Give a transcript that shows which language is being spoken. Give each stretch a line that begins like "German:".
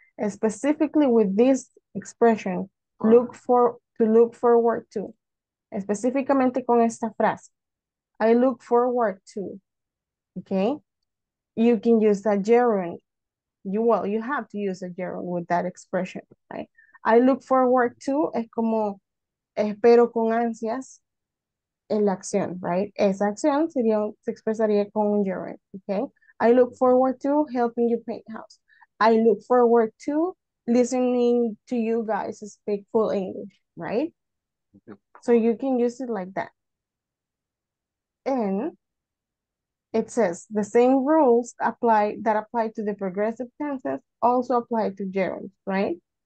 English: Specifically with this expression, look forward to.
Spanish: Específicamente con esta frase,
English: I look forward to, okay? You can use a gerund. You have to use a gerund with that expression, right? I look forward to,
Spanish: es como espero con ansias en la acción,
English: right?
Spanish: Esa acción sería, se expresaría con un gerund, okay?
English: I look forward to helping you paint house. I look forward to listening to you guys speak full English, right? So you can use it like that. And it says the same rules apply to the progressive tenses also apply to gerunds, right?